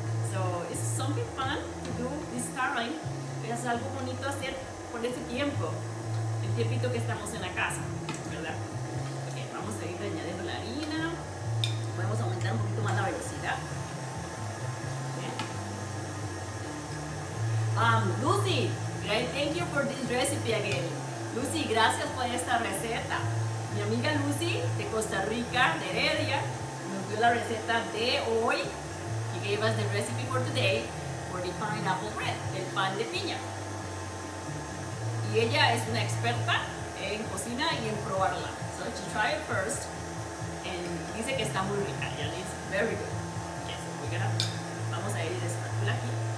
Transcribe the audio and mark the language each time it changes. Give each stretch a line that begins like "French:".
English: So it's something fun to do this time.
Spanish: Es algo bonito hacer por este tiempo, el tiempito que estamos en la casa, ¿verdad? Okay, vamos a ir añadiendo la harina. Podemos aumentar un poquito más la velocidad. estamos.
English: Lucy, thank you for this recipe again.
Spanish: Lucy, gracias por esta receta. Mi amiga Lucy, de Costa Rica, de Heredia, nos dio la receta de hoy.
English: She gave us the recipe for today, for the pineapple bread,
Spanish: el pan de piña. Y ella es una experta en cocina y en probarla.
English: So she tried it first, and
Spanish: dice que está muy rica. Ya dice,
English: very good. Yes, we got it.
Spanish: Vamos a ir a la espátula aquí.